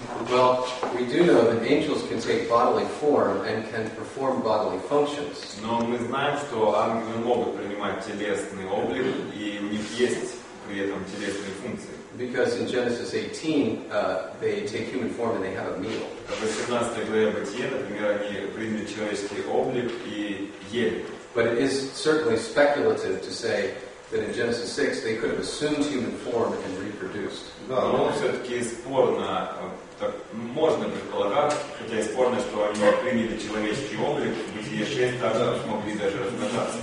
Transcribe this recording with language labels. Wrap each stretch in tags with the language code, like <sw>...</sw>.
<en>Well, we do know that angels can take bodily form and can perform bodily functions.</en> <ru>Но мы знаем, что ангелы могут принимать телесный облик, и у них есть при этом телесные функции.</ru> <en>Because in Genesis 18, they take human form and they have a meal.</en> <ru>В 18 главе Бытия, например, они приняли человеческий облик и ели.</ru> <en>But it is certainly speculative to say that in Genesis 6 they could have assumed human form and reproduced.</en> <ru>Да, но все-таки спорно, так можно предполагать, хотя и спорно, что они приняли человеческий облик, в Бытие 6 также смогли даже размножаться.</ru>